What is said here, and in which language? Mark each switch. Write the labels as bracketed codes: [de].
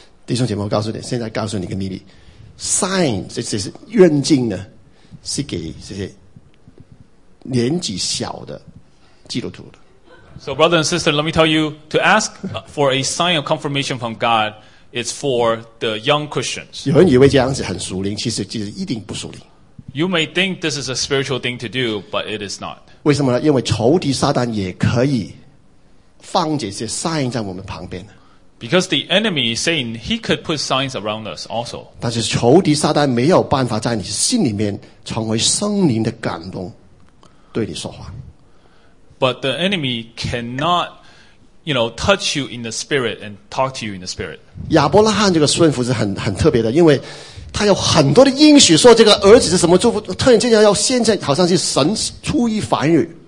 [zh] 弟兄姐妹，我告诉你，现在告诉你一个秘密 ，sign 这些认证呢，是给这些年纪小的基督徒的。 [en] So brother and sister, let me tell you, to ask for a sign of confirmation from God is for the young Christians. [zh] 有人以为这样子很属灵，其实一定不属灵。 [en] You may think this is a spiritual thing to do, but it is not. [zh] 为什么呢？因为仇敌撒旦也可以放这些 sign 在我们旁边。 [en] Because the enemy is saying he could put signs around us also. [zh] 但是仇敌撒旦没有办法在你心里面成为圣灵的感动对你说话。 [en] But the enemy cannot, you know, touch you in the spirit and talk to you in the spirit. [zh] 亚伯拉罕这个顺服是很特别的，因为他有很多的应许，说这个儿子是什么祝福，突然间要现在好像是神出于凡人。